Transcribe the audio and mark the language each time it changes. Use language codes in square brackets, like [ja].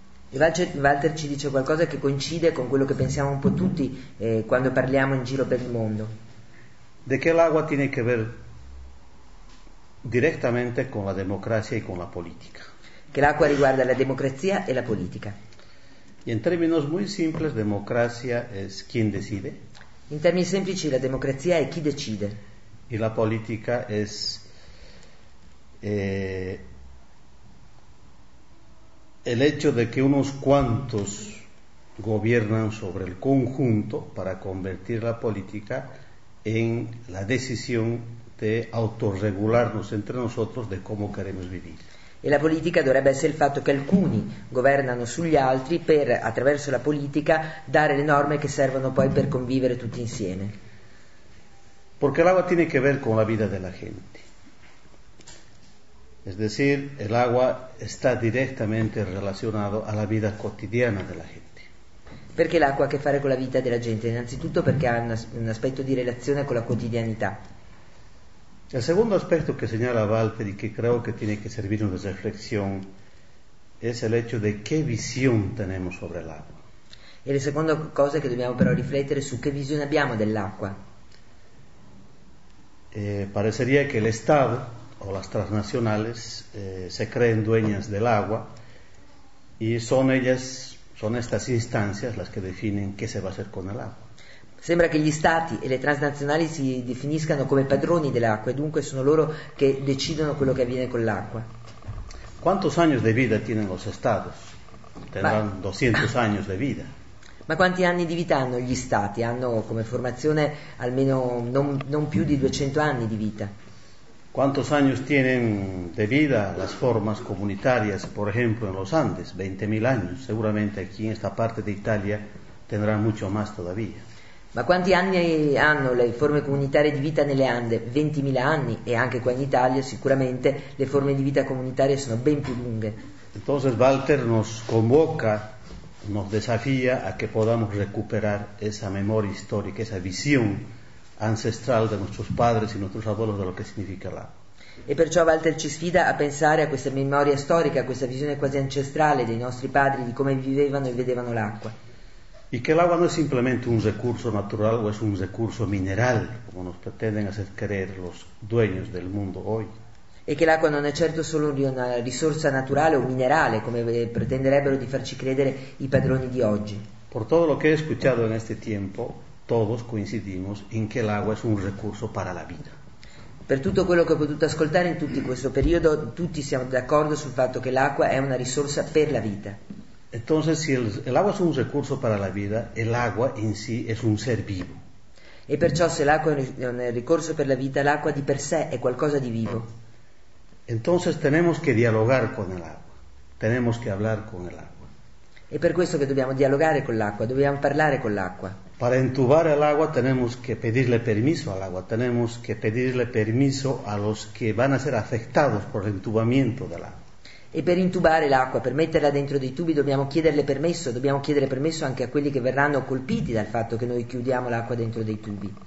[it] Walter ci dice qualcosa che coincide con quello che pensiamo un po' tutti quando parliamo in giro per il mondo. De che l'acqua [es] tiene que ver [it] direttamente con la democrazia e con la politica. Che l'acqua riguarda la democrazia e la politica. [es] Y en términos muy simples, democracia es quien decide. [it] In termini semplici, la democrazia è chi decide. [es] Y la politica es el hecho de que unos cuantos gobiernan sobre el conjunto para convertir la política en la decisión de autorregularnos entre nosotros de cómo queremos vivir. [it] E la politica dovrebbe essere il fatto che alcuni governano sugli altri per, attraverso la politica, dare le norme che servono poi per convivere tutti insieme. [es] Porque el agua tiene que ver con la vida de la gente. Es decir, el agua está directamente relacionado a la vida cotidiana de la gente. [it] Perché l'acqua ha a che fare con la vita della gente? Innanzitutto perché ha un aspetto di relazione con la quotidianità. [es] El segundo aspecto que señala Walter y que creo que tiene que servirnos de reflexión es el hecho de qué visión tenemos sobre el agua. [it] E la seconda cosa che dobbiamo però riflettere su che visione abbiamo dell'acqua. [es] Parecería que el Estado o las transnacionales se creen dueñas del agua y son ellas, son estas instancias las que definen qué se va a hacer con el agua. [it] Sembra que gli stati e le transnazionali si definiscano come padroni dell'acqua e dunque sono loro che decidono quello che avviene con l'acqua. [es] ¿Cuántos años de vida tienen los estados? Tendrán 200 años de vida. [it] Ma quanti anni di vita hanno gli stati? Hanno come formazione almeno non più di 200 anni di vita. [es] ¿Cuántos años tienen de vida las formas comunitarias, por ejemplo, en los Andes? 20.000 años. Seguramente aquí en esta parte de Italia tendrán mucho más todavía. [it] Ma quanti anni hanno le forme comunitarie di vita nelle Ande? 20.000 anni. E anche qua in Italia sicuramente le forme di vita comunitarie sono ben più lunghe. [es] Entonces Walter nos convoca, nos desafía a que podamos recuperar esa memoria histórica, esa visión ancestral de nuestros padres y nuestros abuelos de lo que significa la. [it] E perciò Walter ci sfida a pensare a questa memoria storica, a questa visione quasi ancestrale dei nostri padri, di come vivevano e vedevano l'acqua. [es] Y que el agua no es simplemente un recurso natural o es un recurso mineral, como nos pretenden hacer creer los dueños del mundo hoy. [it] E che l'acqua non è certo solo una risorsa naturale o minerale, come pretenderebbero di farci credere i padroni di oggi. [es] Por todo lo que he escuchado en este tiempo, todos coincidimos en que el agua es un recurso para la vida. [it] Per tutto quello che ho potuto ascoltare in tutto questo periodo, tutti siamo d'accordo sul fatto che l'acqua è una risorsa per la vita. [es] Entonces, si el agua es un recurso para la vida, el agua en sí es un ser vivo. [it] E perciò se l'acqua è un recurso per la vita, l'acqua di per sé è qualcosa di vivo. [es] Entonces tenemos que dialogar con el agua. Tenemos que hablar con el agua. [it] E per questo che dobbiamo dialogare con l'acqua, dobbiamo parlare con l'acqua. [es] Para entubar el agua tenemos que pedirle permiso al agua, tenemos que pedirle permiso a los que van a ser afectados por el entubamiento del agua. [it] E per intubare l'acqua, per metterla dentro dei tubi, dobbiamo chiedere permesso anche a quelli che verranno colpiti dal fatto che noi chiudiamo l'acqua dentro dei tubi.